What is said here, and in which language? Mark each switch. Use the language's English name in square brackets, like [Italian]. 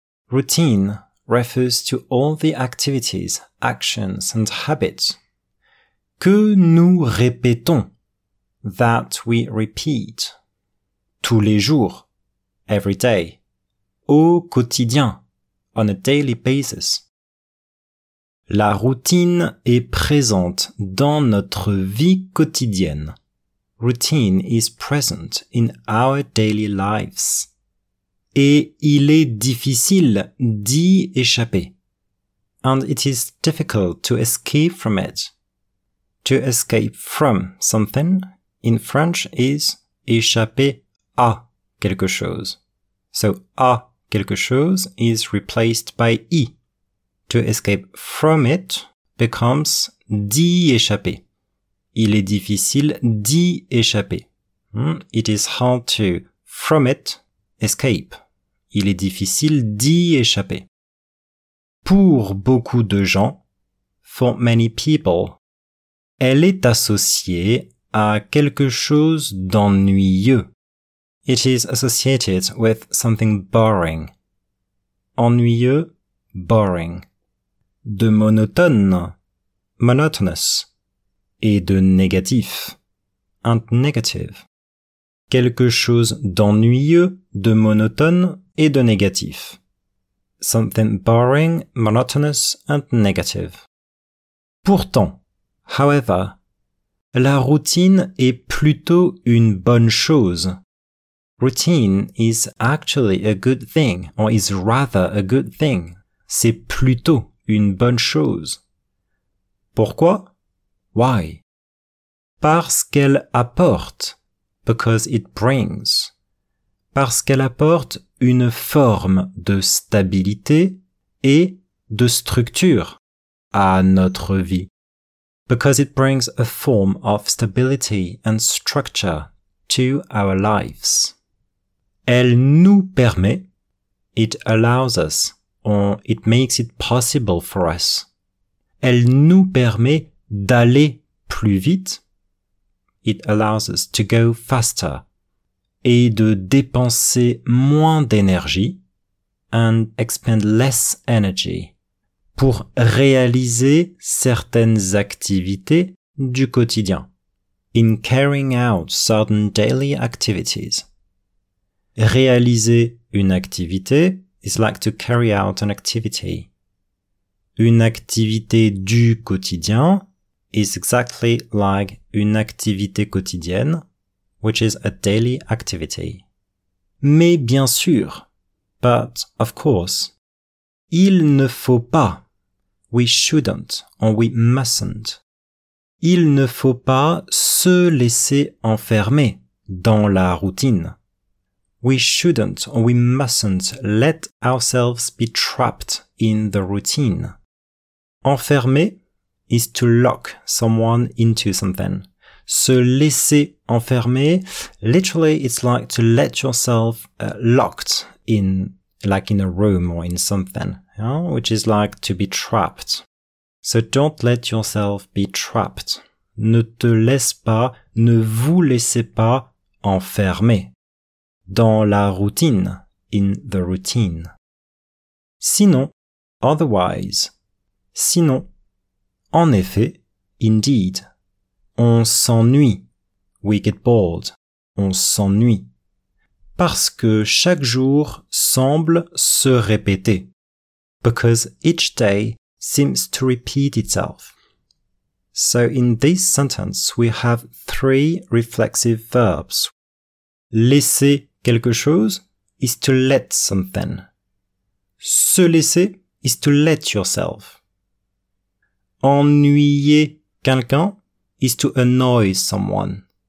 [English] Routine refers to all the activities, actions and habits [French] que nous répétons, [English] that we repeat, [French] tous les jours, [English] every day, [French] au quotidien, [English] on a daily basis. [French] La routine est présente dans notre vie quotidienne. [English] Routine is present in our daily lives. [French] Et il est difficile d'y échapper. [English] And it is difficult to escape from it. To escape from something in French is [French] échapper à quelque chose. [English] So [French] à quelque chose [English] is replaced by y. To escape from it becomes [French] d'y échapper. Il est difficile d'y échapper. [English] It is hard to, from it, escape. [French] Il est difficile d'y échapper. Pour beaucoup de gens, [English] for many people, [French] elle est associée à quelque chose d'ennuyeux. [English] It is associated with something boring. [French] Ennuyeux, [English] boring. [French] De monotone, [English] monotonous, [French] et de négatif, [English] and negative. [French] Quelque chose d'ennuyeux, de monotone et de négatif. [English] Something boring, monotonous, and negative. [French] Pourtant, [English] however, [French] la routine est plutôt une bonne chose. [English] Routine is actually a good thing, or is rather a good thing. [French] C'est plutôt une bonne chose. Pourquoi? [English] Why? [French] Parce qu'elle apporte. [English] Because it brings. [French] Parce qu'elle apporte une forme de stabilité et de structure à notre vie. [English] Because it brings a form of stability and structure to our lives. [French] Elle nous permet. [English] It allows us. Or it makes it possible for us. [French] Elle nous permet d'aller plus vite. [English] It allows us to go faster. [French] Et de dépenser moins d'énergie. [English] And expend less energy. [French] Pour réaliser certaines activités du quotidien. [English] In carrying out certain daily activities. [French] Réaliser une activité. [English] It's like to carry out an activity. [French] Une activité du quotidien [English] is exactly like [French] une activité quotidienne, [English] which is a daily activity. [French] Mais bien sûr, [English] but of course, [French] il ne faut pas, [English] we shouldn't, or we mustn't. [French] Il ne faut pas se laisser enfermer dans la routine. [English] We shouldn't or we mustn't let ourselves be trapped in the routine. Enfermer is to lock someone into something. [French] Se laisser enfermer, [English] literally it's like to let yourself locked in, like in a room or in something, yeah? Which is like to be trapped. So don't let yourself be trapped. [French] Ne te laisse pas, ne vous laissez pas enfermer. Dans la routine, [English] in the routine. [French] Sinon, [English] otherwise. [French] Sinon, en effet, [English] indeed. [French] On s'ennuie. [English] We get bored. [French] On s'ennuie. Parce que chaque jour semble se répéter. [English] Because each day seems to repeat itself. So in this sentence, we have three reflexive verbs. [French] Laisser quelque chose [English] is to let something. [French] Se laisser [English] is to let yourself. [French] Ennuyer quelqu'un [English] is to annoy someone.